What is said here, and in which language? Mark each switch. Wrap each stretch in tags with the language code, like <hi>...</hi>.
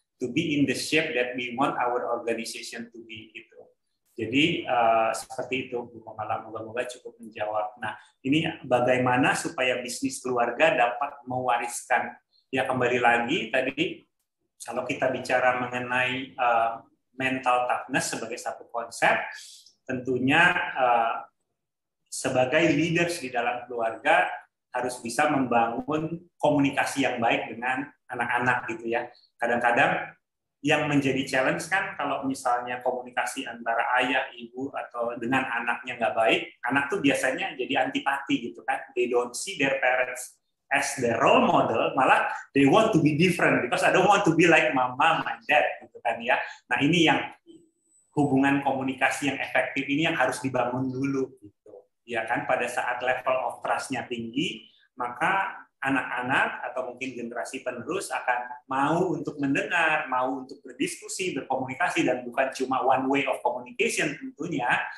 <en>To be in the shape that we want our organization to be gitu.</en> <id>Jadi seperti itu, Bu Komala, moga-moga cukup menjawab. Nah, ini bagaimana supaya bisnis keluarga dapat mewariskan. Ya, kembali lagi tadi, kalau kita bicara mengenai mental toughness sebagai satu konsep, tentunya sebagai leaders di dalam keluarga harus bisa membangun komunikasi yang baik dengan anak-anak gitu ya. Kadang-kadang yang menjadi challenge kan kalau misalnya komunikasi antara ayah, ibu, atau dengan anaknya nggak baik, anak tuh biasanya jadi antipati gitu kan.</id> <en>They don't see their parents as their role model, malah they want to be different because I don't want to be like mama, my dad</en> <id>gitu kan ya. Nah, ini yang hubungan komunikasi yang efektif ini yang harus dibangun dulu gitu. Ya kan, pada saat level of trust-nya tinggi, maka anak-anak atau mungkin generasi penerus akan mau untuk mendengar, mau untuk berdiskusi, berkomunikasi, dan bukan cuma</id> <en>one way of communication</en> <id>tentunya.</id>